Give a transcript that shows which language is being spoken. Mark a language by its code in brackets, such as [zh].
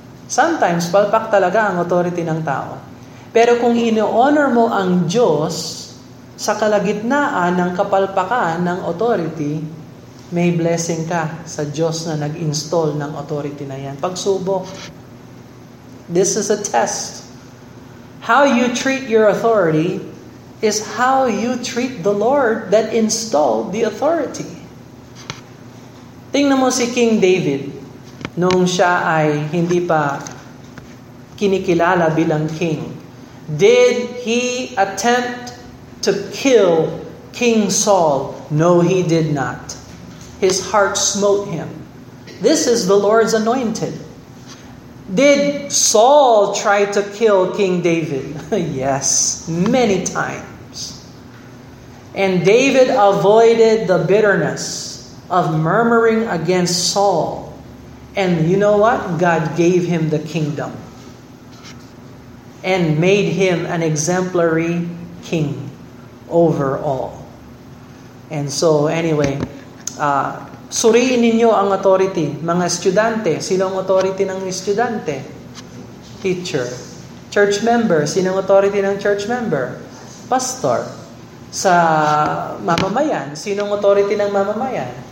[tl] Sometimes palpak talaga ang authority ng tao. Pero kung ino-honor mo ang Diyos sa kalagitnaan ng kapalpakan ng authority, may blessing ka sa Diyos na nag-install ng authority na yan. Pagsubok. [en] This is a test. How you treat your authority is how you treat the Lord that installed the authority. [tl] Tingnan mo si King David nung siya ay hindi pa kinikilala bilang king. [en] Did he attempt to kill King Saul? No, he did not. His heart smote him. This is the Lord's anointed. Did Saul try to kill King David? Yes, many times. And David avoided the bitterness of murmuring against Saul. And you know what? God gave him the kingdom and made him an exemplary king over all. And so, anyway, [tl] suriin ninyo ang [en] authority. [tl] Mga estudante, sino ang authority ng estudante? [en] Teacher. Church member, [tl] sino ang [en] authority ng church member? Pastor. [tl] Sa mamamayan, sino ang authority ng mamamayan?